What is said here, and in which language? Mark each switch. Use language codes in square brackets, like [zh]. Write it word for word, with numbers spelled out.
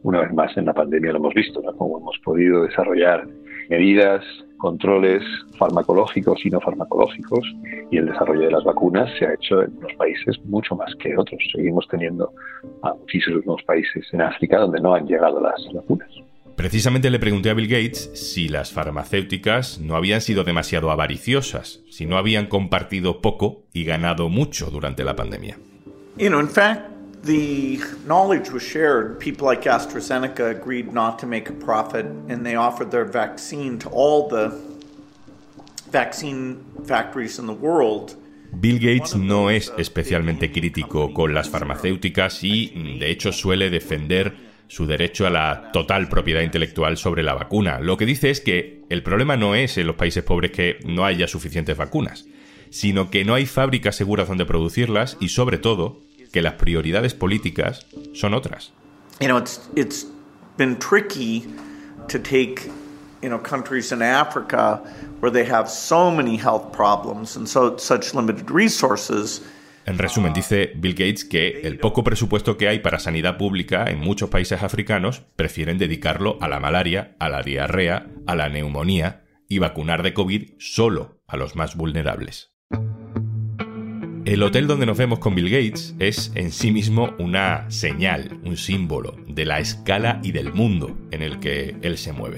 [es] Una vez más, en la pandemia lo hemos visto, ¿no? Como hemos podido desarrollar medidas, controles farmacológicos y no farmacológicos, y el desarrollo de las vacunas se ha hecho en unos países mucho más que otros. Seguimos teniendo a muchísimos países en África donde no han llegado las vacunas. Precisamente le pregunté a Bill Gates si las farmacéuticas no habían sido demasiado avariciosas, si no habían compartido poco y ganado mucho durante la pandemia. [en] You know, in fact, the knowledge was shared. People like AstraZeneca agreed not to make a profit and they offered their vaccine to all the vaccine factories in the world. [es] Bill Gates no es especialmente crítico con las farmacéuticas y, de hecho, suele defender su derecho a la total propiedad intelectual sobre la vacuna. Lo que dice es que el problema no es en los países pobres que no haya suficientes vacunas, sino que no hay fábricas seguras donde producirlas y, sobre todo, que las prioridades políticas son otras. [en] You know, it's it's been tricky to take, you know, countries in Africa where they have so many health problems and so such limited resources. [es] En resumen, dice Bill Gates que el poco presupuesto que hay para sanidad pública en muchos países africanos prefieren dedicarlo a la malaria, a la diarrea, a la neumonía y vacunar de COVID solo a los más vulnerables. El hotel donde nos vemos con Bill Gates es en sí mismo una señal, un símbolo de la escala y del mundo en el que él se mueve.